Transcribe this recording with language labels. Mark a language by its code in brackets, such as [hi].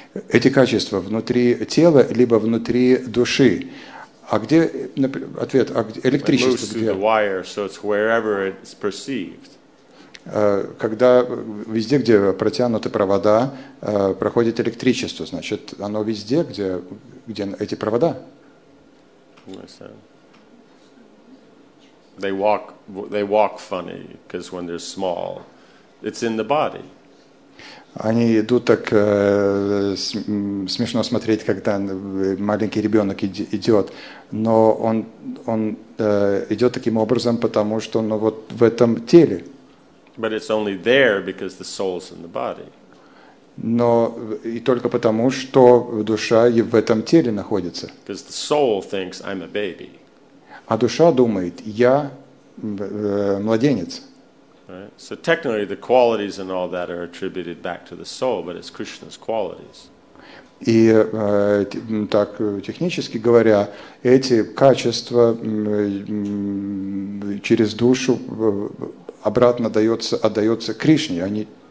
[ru] Эти качества внутри тела либо внутри души. А где ответ? А где электричество? [en] It moves through the wire, so it's wherever it's perceived. [ru] Когда везде, где протянуты провода, проходит электричество, значит, оно везде, где эти провода. [en] They walk funny because when they're small, it's in the body. [ru] Они идут так смешно смотреть, когда маленький ребенок идет, но он идет таким образом, потому что ну вот в этом теле. [en] But it's only there because the soul's in the body. [ru] Но и только потому, что душа и в этом теле находится. [en] Because the soul thinks I'm a baby. [ru] А душа думает, я младенец. [en] Right. So technically the qualities and all that are attributed back to the soul, but it's Krishna's qualities. [ru] И так технически говоря, эти качества через душу обратно отдается Кришне, а не...